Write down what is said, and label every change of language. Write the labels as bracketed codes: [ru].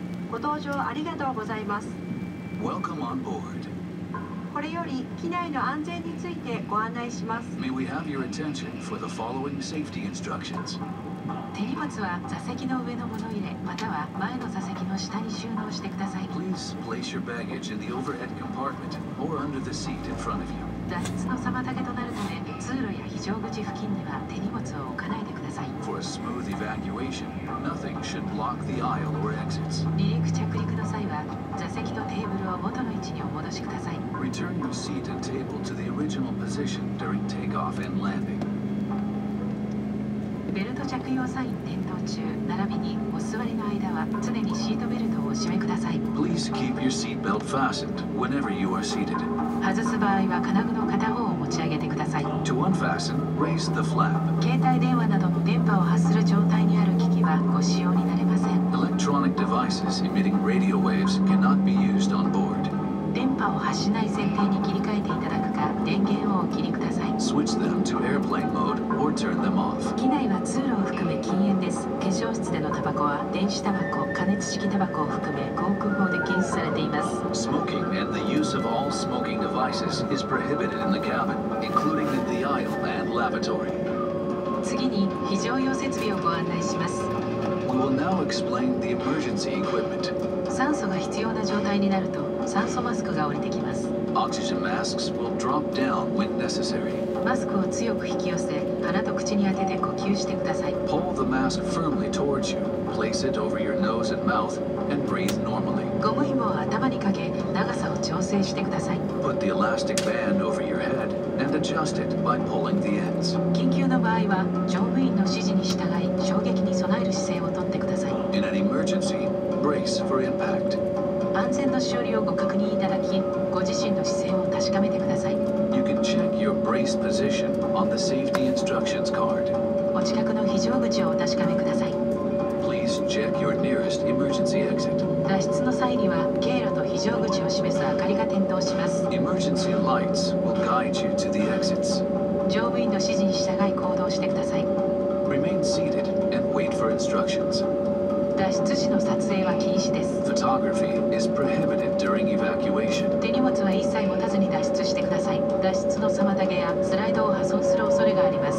[ja] ご搭乗ありがとうございます。 [en] Welcome on board. [ja] これより機内の安全についてご案内します。 [en] May we have your attention for the following safety instructions. [ja] 手荷物は座席の上のもの入れ、または前の座席の下に収納してください。 [en] Please place your baggage in the overhead compartment or under the seat in front of you. [ja] 脱出の妨げとなるため、通路や非常口付近には手荷物を置かないでください。 [en] For a smooth evacuation, nothing should block the aisle or exits. [ja] 離陸着陸の際は座席とテーブルを元の位置にお戻しください。 [en] Return your seat and table to the original position during takeoff and landing. [ja] ベルト着用サイン点灯中並びにお座りの間は常にシートベルトをお締めください。 [en] Please keep your seat belt fastened whenever you are seated. [ja] 外す場合は金具の片方を持ち上げてください。 [en] To unfasten, raise the flap. [ja] 携帯電話などの電波を発する状態にある機器はご使用になれません。 [en] Electronic devices emitting radio waves cannot be used on board. [ja] 電波波を発しない設定に切り替えていただくか、電源をお切りください。 [en] Switch them to airplane mode or turn them off. [ja] 機内は通路を含め禁煙です。化粧室でのタバコは電子タバコ、加熱式タバコを含め航空法で禁止されています。 [en] Smoking and the use of all smoking devices is prohibited in the cabin, including the aisle and lavatory. [ja] 次に非常用設備をご案内します。 [en] We will now explain the emergency equipment. [ja] 酸素が必要な状態になると酸素マスクが降りてきます。 [en] Oxygen masks will drop down when necessary. [ja] マスクを強く引き寄せ、鼻と口に当てて呼吸してください。 [en] Pull the mask firmly towards you. Place it over your nose and mouth and breathe normally. [ja] ゴム紐を頭にかけ、長さを調整してください。 [en] Put the elastic band over your head and adjust it by pulling the ends. [ja] 緊急の場合は、乗務員の指示に従い、衝撃に備える姿勢をとってください。 [en] In an emergency, brace for impact. [ja] 安全のしおりをご確認いただき、ご自身の姿勢を確かめてください。 [en] You can check your brace position on the safety instructions card. [ja] お近くの非常口をお確かめください。 [en] Please check your nearest emergency exit. [ja] 脱出の際には、経路と非常口を示す明かりが点灯します。 [en] Emergency lights will guide you to the exits. [ja] 乗務員の指示に従い行動してください。 [en] Remain seated and wait for instructions. [ja] 脱出時の撮影は禁止です。 [en] Photography is prohibited during evacuation. [ja] 手荷物は一切持たずに脱出してください。脱出の妨げやスライドを破損する恐れがあります。